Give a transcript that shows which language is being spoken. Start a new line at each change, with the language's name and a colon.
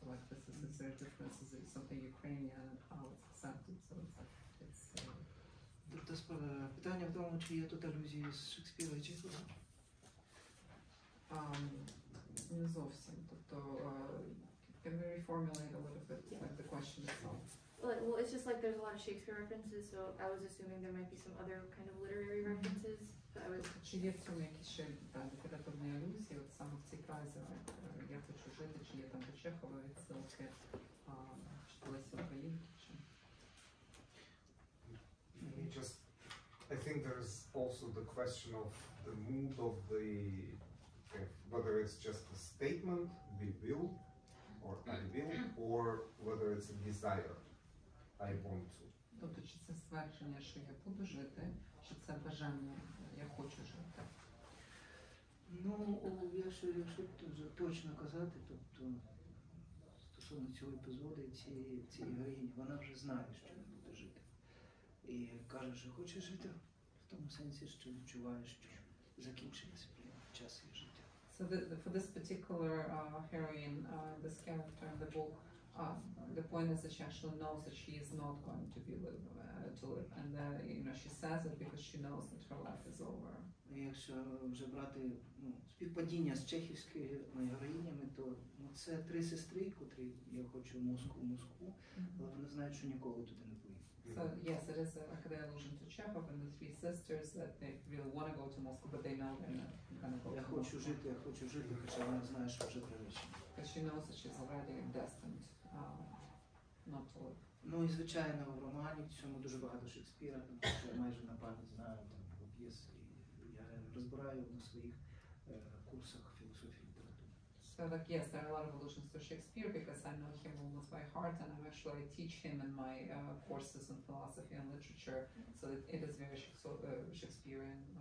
English: Like this is a certain difference, is it something Ukrainian and how it's accepted, so it's
Ukrainian: Тобто питання в тому, чи є тут алюзії з Шекспіра чи Чехова? Не зовсім. Тобто,
English: can we reformulate a little bit the question itself? Well, it's just like there's a lot of Shakespeare references, so I was assuming there might be some other kind of literary references.
Ukrainian: Чи є в цьому якісь ще літературні алюзії, от саме в цій фразі, я хочу жити, чи є там до Чехова, від Силки, чи Лесі Українки, чи...
English: I think there is also the question of the mood of the, whether it's just a statement, we will, or I will, or whether it's a desire, I want to.
Ukrainian: Тобто, чи це ствердження, що я буду жити, чи це бажання, я хочу жити? Ну, я ще якщо точно казати, тобто, стосовно цього епізоду, цієї героїні, вона вже знає, що не буде жити. І каже, що хоче жити в тому сенсі, що відчуває, що закінчився час її життя.
English: So for this particular heroine, this character in the book, the point is that she actually knows that she is not going to be to live, and that, you know, she says it because she knows that her life is over.
Ukrainian: Якщо вже брати співпадіння з чехівськими героїнями, то це три сестри, котрі я хочу Москву, але вони знають, що нікого туди не буде.
English: So yes, it is a kind of allusion to Chekhov and the three sisters that they really want to go to Moscow, but they know they're not going to go.
Ukrainian: Я хочу жити, хоча вона знає, що вже приїхала.
English: Because she knows that she's already destined not to live.
Ukrainian: Ну і звичайно в романі в цьому дуже багато Шекспіра, тому що я майже на пам'ять знаю там п'єси, я розбираю на своїх курсах філософії літератури.
English: So like yes, there are a lot of allusions to Shakespeare because I know him almost by heart, and actually I teach him in my courses in philosophy and literature, so that it is very Shakespearean.